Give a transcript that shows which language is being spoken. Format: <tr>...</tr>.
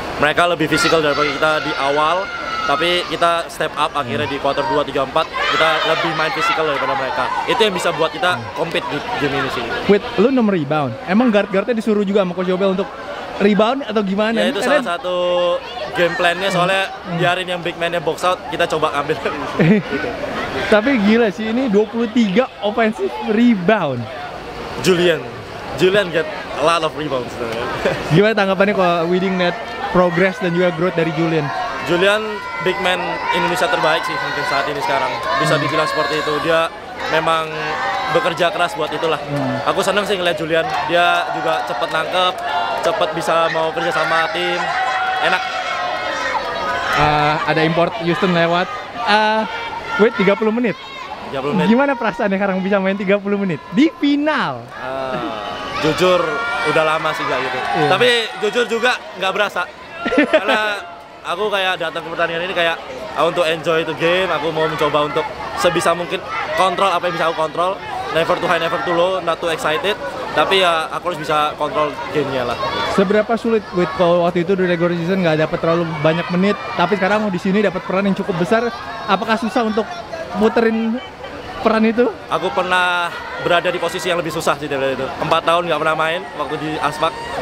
<id>Mereka lebih physical daripada kita di awal, tapi kita step up akhirnya di quarter 2, 3, 4, kita lebih main physical daripada mereka. Itu yang bisa buat kita compete di game ini sih. Wait, lu nomor rebound. Emang guard-guardnya disuruh juga sama Coach Jobel untuk rebound atau gimana? Ya, itu salah satu game plan-nya, soalnya biarin yang big man-nya box out, kita coba ambil. Tapi gila sih, ini 23 offensive rebound.</id> <en>Julian get a lot of rebounds.</en> <id>Gimana tanggapannya kalau winning net progress dan juga growth dari Julian? Julian big man Indonesia terbaik sih mungkin saat ini sekarang. Bisa dibilang seperti itu, dia memang bekerja keras buat itulah. Aku seneng sih ngeliat Julian, dia juga cepet nangkep, cepet bisa mau kerja sama tim, enak. Ada import Houston lewat. Wait, 30 menit? 30 menit. Gimana perasaannya sekarang bisa main 30 menit? Di final! Jujur, udah lama sih gak gitu. Tapi jujur juga gak berasa. Karena aku kayak datang ke pertandingan ini kayak untuk</id> <en>enjoy the game,</en> <id>aku mau mencoba untuk sebisa mungkin kontrol apa yang bisa aku kontrol.</id> <en>Never too high, never too low, not too excited.</en> <id>Tapi ya aku harus bisa kontrol game-nya lah. Seberapa sulit buat kalau waktu itu di regular season nggak dapat terlalu banyak menit, tapi sekarang mau di sini dapat peran yang cukup besar. Apakah susah untuk muterin peran itu? Aku pernah berada di posisi yang lebih susah sih dari itu. 4 tahun nggak pernah main waktu di ASPAC.</id>